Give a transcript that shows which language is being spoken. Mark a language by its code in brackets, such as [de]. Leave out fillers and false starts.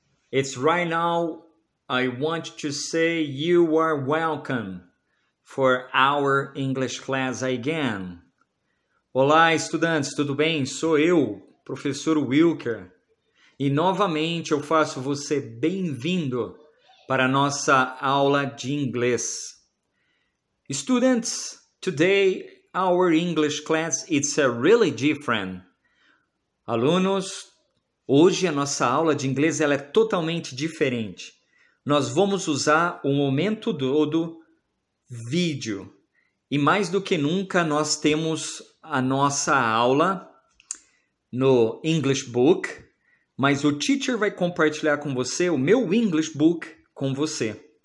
[en] It's right now I want to say you are welcome for our English class again. [pt] Olá, estudantes, tudo bem? Sou eu, professor Wilker. E novamente eu faço você bem-vindo para a nossa aula de inglês. [en] Students, today our English class is really different. [pt] Alunos, hoje a nossa aula de inglês ela é totalmente diferente. Nós vamos usar o momento todo vídeo. E mais do que nunca, nós temos a nossa aula no English Book, mas o teacher vai compartilhar com você o meu English Book com você.